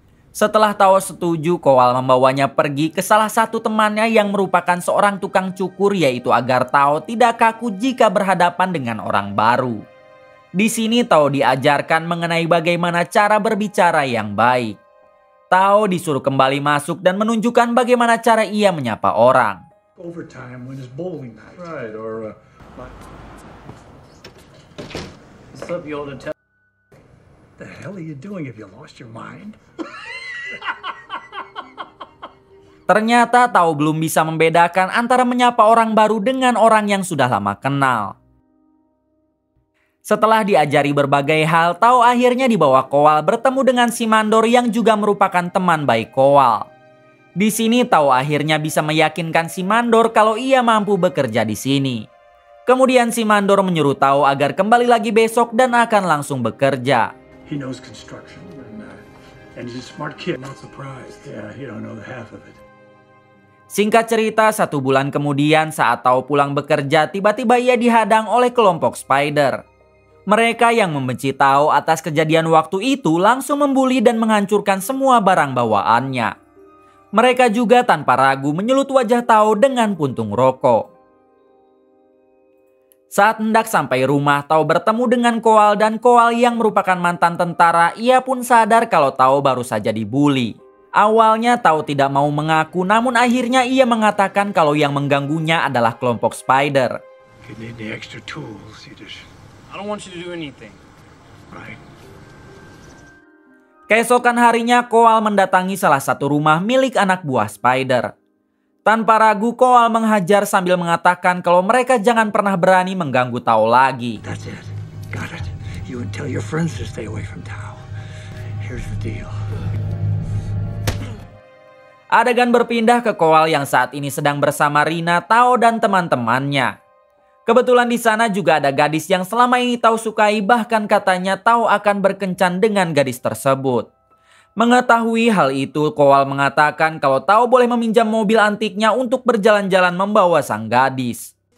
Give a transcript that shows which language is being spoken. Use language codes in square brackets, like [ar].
[id] Setelah Tao setuju, Kowal membawanya pergi ke salah satu temannya yang merupakan seorang tukang cukur, yaitu agar Tao tidak kaku jika berhadapan dengan orang baru. Di sini Tao diajarkan mengenai bagaimana cara berbicara yang baik. Tao disuruh kembali masuk dan menunjukkan bagaimana cara ia menyapa orang. [en] Overtime when it's bowling night. Right, or slip you old hotel. The hell are you doing if you lost your mind? [id] Ternyata Tao belum bisa membedakan antara menyapa orang baru dengan orang yang sudah lama kenal. Setelah diajari berbagai hal, Tao akhirnya dibawa Kowal bertemu dengan si mandor yang juga merupakan teman baik Kowal. Di sini Tao akhirnya bisa meyakinkan si mandor kalau ia mampu bekerja di sini. Kemudian si mandor menyuruh Tao agar kembali lagi besok dan akan langsung bekerja. [en] He knows construction and he's a smart kid. I'm not surprised. Yeah, he don't know the half of it. [id] Singkat cerita, 1 bulan kemudian saat Tao pulang bekerja, tiba-tiba ia dihadang oleh kelompok Spider. Mereka yang membenci Tao atas kejadian waktu itu langsung membuli dan menghancurkan semua barang bawaannya. Mereka juga tanpa ragu menyulut wajah Tao dengan puntung rokok. Saat hendak sampai rumah, Tao bertemu dengan Kowal dan Kowal yang merupakan mantan tentara, ia pun sadar kalau Tao baru saja dibuli. Awalnya Tao tidak mau mengaku, namun akhirnya ia mengatakan kalau yang mengganggunya adalah kelompok Spider. [en] I don't want you to do anything. Right. [id] Keesokan harinya Kowal mendatangi salah satu rumah milik anak buah Spider. Tanpa ragu Kowal menghajar sambil mengatakan kalau mereka jangan pernah berani mengganggu Tao lagi. [en] That's it. Got it. You would tell your friends to stay away from Tao. Here's the deal. [id] Adegan berpindah ke Kowal yang saat ini sedang bersama Rina, Tao dan teman-temannya. Kebetulan di sana juga ada gadis yang selama ini Tau sukai, bahkan katanya Tau akan berkencan dengan gadis tersebut. Mengetahui hal itu, Kowal mengatakan kalau Tau boleh meminjam mobil antiknya untuk berjalan-jalan membawa sang gadis.